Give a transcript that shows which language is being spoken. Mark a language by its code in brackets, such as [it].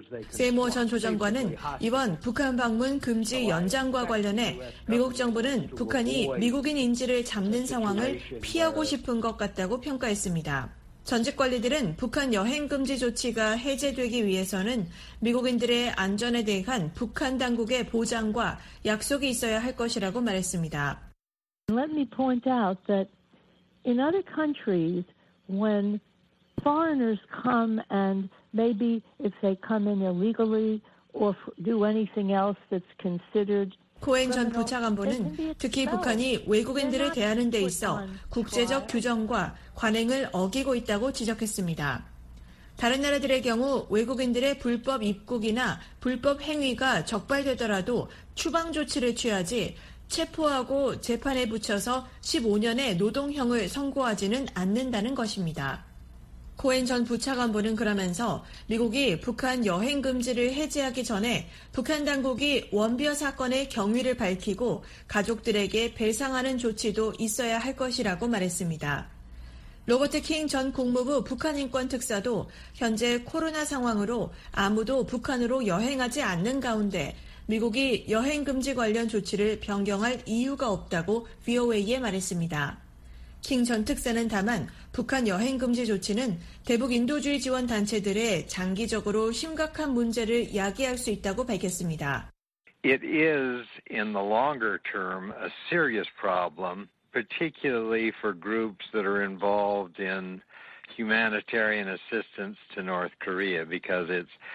[ko] 세모 전 소장관은 이번 북한 방문 금지 연장과 관련해 미국 정부는 북한이 미국인 인질을 잡는 상황을 피하고 싶은 것 같다고 평가했습니다. 전직 관리들은 북한 여행 금지 조치가 해제되기 위해서는 미국인들의 안전에 대한 북한 당국의 보장과 약속이 있어야 할 것이라고 말했습니다. [en] Let me point out that in other countries, when foreigners come and maybe if they come in illegally or do anything else that's considered [ko] 코엔 전 부차관보는 특히 북한이 외국인들을 대하는 데 있어 국제적 규정과 관행을 어기고 있다고 지적했습니다. 다른 나라들의 경우 외국인들의 불법 입국이나 불법 행위가 적발되더라도 추방 조치를 취하지 체포하고 재판에 붙여서 15년의 노동형을 선고하지는 않는다는 것입니다. 코엔 전 부차관보는 그러면서 미국이 북한 여행 금지를 해제하기 전에 북한 당국이 원비어 사건의 경위를 밝히고 가족들에게 배상하는 조치도 있어야 할 것이라고 말했습니다. 로버트 킹 전 국무부 북한인권특사도 현재 코로나 상황으로 아무도 북한으로 여행하지 않는 가운데 미국이 여행 금지 관련 조치를 변경할 이유가 없다고 VOA에 말했습니다. 킹 전 특사는 다만 북한 여행 금지 조치는 대북 인도주의 지원 단체들의 장기적으로 심각한 문제를 야기할 수 있다고 밝혔습니다. [en] It is in the longer term a serious problem, particularly for groups that are involved in humanitarian assistance to North Korea because it's